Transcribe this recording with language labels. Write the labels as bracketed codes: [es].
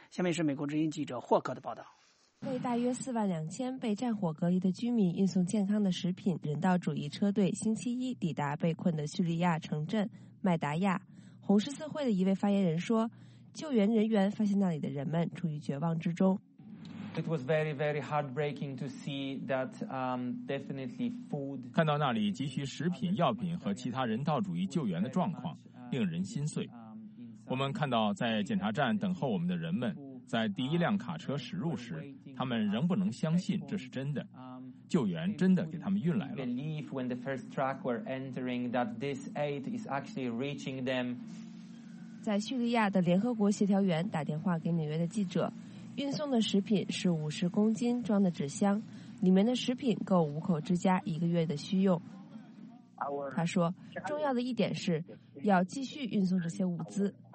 [zh] 下面是美国之音记者霍克的报道。为大约42000被战火隔离的居民运送健康的食品，人道主义车队星期一抵达被困的叙利亚城镇麦达亚。红十字会的一位发言人说，救援人员发现那里的人们处于绝望之中。 [en] It was very, very heartbreaking to see that, definitely food. [zh] 看到那里急需食品、药品和其他人道主义救援的状况，令人心碎。我们看到在检查站等候我们的人们，在第一辆卡车驶入时，他们仍不能相信这是真的，救援真的给他们运来了。 [en] Believe when the first truck were entering that this aid is actually reaching them. [zh] 在叙利亚的联合国协调员打电话给纽约的记者。运送的食品是50公斤装的纸箱，里面的食品够5口之家一个月的需用。他说，重要的一点是要继续运送这些物资。